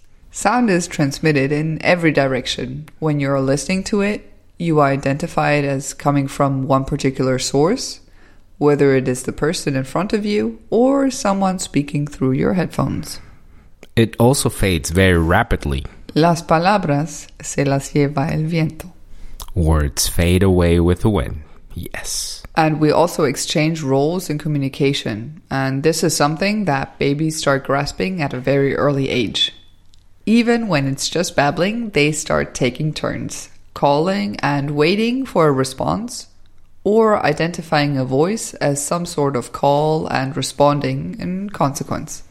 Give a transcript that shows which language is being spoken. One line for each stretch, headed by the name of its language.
English: Sound is transmitted in every direction. When you're listening to it, you identify it as coming from one particular source, whether it is the person in front of you or someone speaking through your headphones. It also fades very rapidly.
Spanish: Las palabras se las lleva el viento.
English: Words fade away with the wind, yes. And we also exchange roles in communication, and this is something that babies start grasping at a very early age. Even when it's just babbling, they start taking turns, calling and waiting for a response, or identifying a voice as some sort of call and responding in consequence.